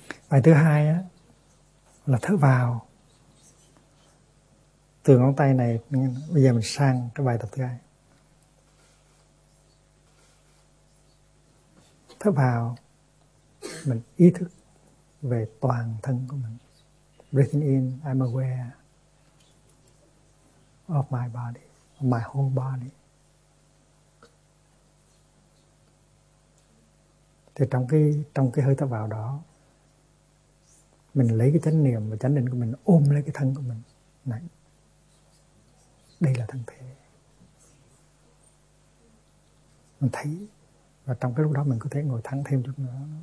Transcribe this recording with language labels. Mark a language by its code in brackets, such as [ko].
[vi] Bài thứ hai á là thở vào từ ngón tay này. Bây giờ mình sang cái bài tập thứ hai. Thở vào, mình ý thức về toàn thân của mình. [en] Breathing in, I'm aware of my body, my whole body. [vi] Thì trong cái hơi thở vào đó, mình lấy cái chánh niệm và chánh định của mình ôm lấy cái thân của mình này. Đây là thân thể. Mình thấy. Và trong cái lúc đó mình có thể ngồi thẳng thêm chút nữa.